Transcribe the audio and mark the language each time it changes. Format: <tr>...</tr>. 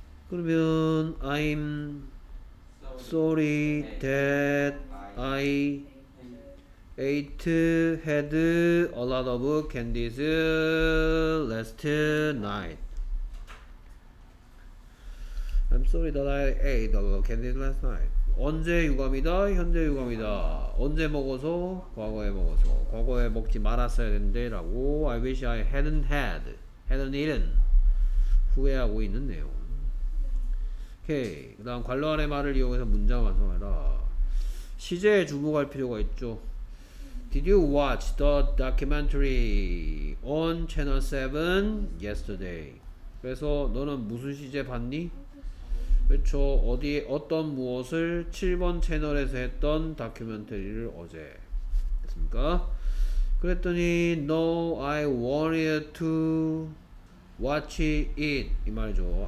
<ko>그러면</ko> <en>I'm sorry that I ate had a lot of candies last night. I'm sorry that I ate a lot of candies last night.</en> <ko>언제 유감이다? 현재 유감이다. 언제 먹어서? 과거에 먹어서. 과거에 먹지 말았어야 했는데 라고.</ko> <en>I wish I hadn't had. hadn't eaten.</en> <ko>후회하고 있는 내용. 오케이. 그 다음 관로안의 말을 이용해서 문장 완성해라. 시제에 주목할 필요가 있죠.</ko> <en>Did you watch the documentary on channel 7 yesterday?</en> <ko>그래서 너는 무슨 시제 봤니? 그렇죠. 어디에 어떤 무엇을 7번 채널에서 했던 다큐멘터리를 어제 했습니까? 그랬더니</ko> <en>No, I wanted to watch it.</en> <ko>이 말이죠.</ko>